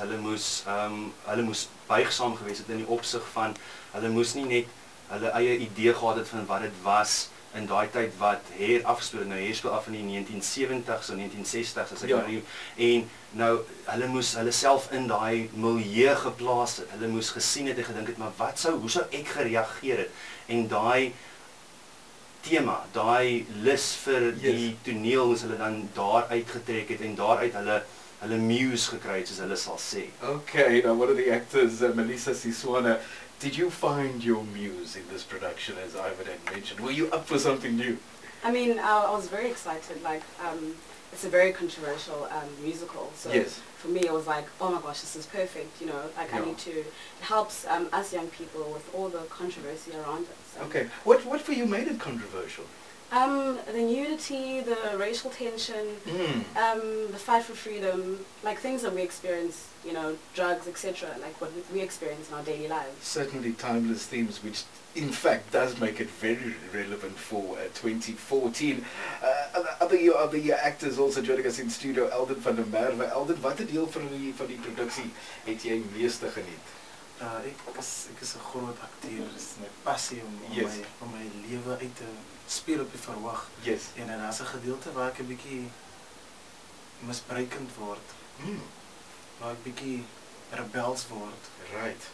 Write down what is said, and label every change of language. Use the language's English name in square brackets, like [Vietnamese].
[Afrikaans] Hulle moes buigsaam gewees het in die opsig van hulle moes nie net hulle eie idee gehad het van wat dit was in daai tyd wat Hair afgespeel, nou Hair speel af in die 1970s of 1960s as ek nou, en nou hulle moes hulle self in daai milieu geplaas het. Hulle moes gesien het en gedink het, maar hoe sou ek gereageer het? En daai tema, daai lus vir die toneel moes hulle dan daar uitgetrek het en daaruit hulle muse gekry het, soos hulle sal sê. [English] Okay, now what are the actors, Melissa Siswana? Did you find your muse in this production, as Ivan had mentioned? Were you up for something new? I mean, I was very excited. Like, it's a very controversial musical. So yes. For me, it was like, oh my gosh, this is perfect. You know, like, yeah. I need to... It helps us young people with all the controversy around us. So. Okay. What for you made it controversial? The nudity, the racial tension, the fight for freedom, like things that we experience, you know, drugs, etc., like what we experience in our daily lives. Certainly timeless themes, which in fact does make it very relevant for 2014. Are the actors also joining us in studio, Eldon van der Merwe. [Afrikaans] Eldon, wat het deel van die produksie het jy meeste geniet? Ek is 'n groot akteur, dis my passie om my lewe uit te speel op die verhoog. [English] Yes. [Afrikaans] En dan is 'n gedeelte waar ek 'n bietjie misbruikend word. Waar ek bietjie rebels word. [English] Right.